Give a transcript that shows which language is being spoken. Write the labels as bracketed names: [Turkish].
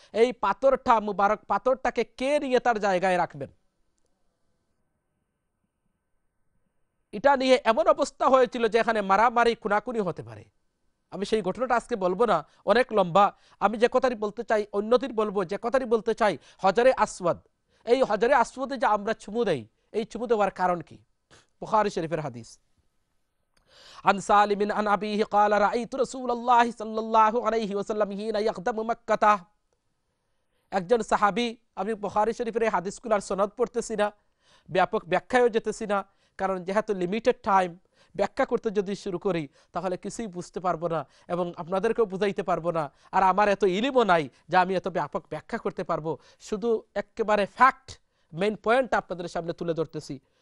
[Bangla] এই পাথরটা মুবারক পাথরটাকে কে নিয়ে তার জায়গায় রাখবেন, এটা নিয়ে এমন অবস্থা হয়েছিল যে এখানে মারামারি খুনাখুনি হতে পারে। আমি সেই ঘটনাটা আজকে বলবো না, অনেক লম্বা। আমি যে কথাটি বলতে চাই, অন্যদিন বলবো, যে কথাটি বলতে চাই হজরে আসওয়াদ, এই হজরে আসওয়াদে যে আমরা চুমু দেই, এই চুমু দেওয়ার কারণ কি? বুখারি শরীফের হাদিস। [Arabic] عن سالم عن أبيه قال رأيت رسول الله صلى الله عليه وسلم حين يقدم مكة. [Bangla] একজন সাহাবী, আমি বুখারী শরীফের হাদিসগুলোর সনদ পড়তেছি না, ব্যাপক ব্যাখ্যায়ও যেতেছি না, কারণ যেহেতু লিমিটেড টাইম, ব্যাখ্যা করতে যদি শুরু করি তাহলে কিছুই বুঝতে পারবো না এবং আপনাদেরকেও বুঝাইতে পারবো না, আর আমার এত ইলিমও নাই যে আমি এত ব্যাপক ব্যাখ্যা করতে পারবো, শুধু একেবারে ফ্যাক্ট মেইন পয়েন্ট আপনাদের সামনে তুলে ধরতেছি।